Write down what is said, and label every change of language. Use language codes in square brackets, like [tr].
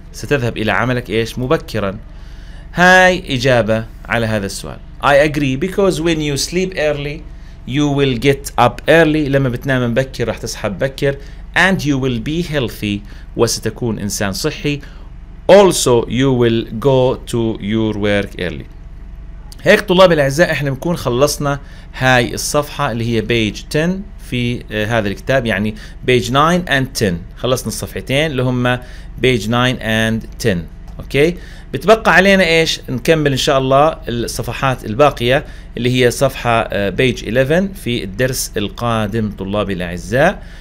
[ar] ستذهب إلى عملك إيش مبكرا. هاي إجابة على هذا السؤال. [en] I agree because when you sleep early, you will get up early. [ar] لما بتنام مبكر راح تصحى بكر. [en] And you will be healthy. [ar] وستكون إنسان صحي. [en] Also, you will go to your work early. [ar] هيك طلاب الأعزاء, إحنا بنكون خلصنا هاي الصفحة اللي هي page 10 في هذا الكتاب, يعني [en] page 9 and 10. [ar] خلصنا الصفحتين اللي هما [en] page 9 and 10. [ar] أوكي, بتبقى علينا إيش نكمل إن شاء الله الصفحات الباقية اللي هي صفحة page 11 في الدرس القادم طلابي الأعزاء.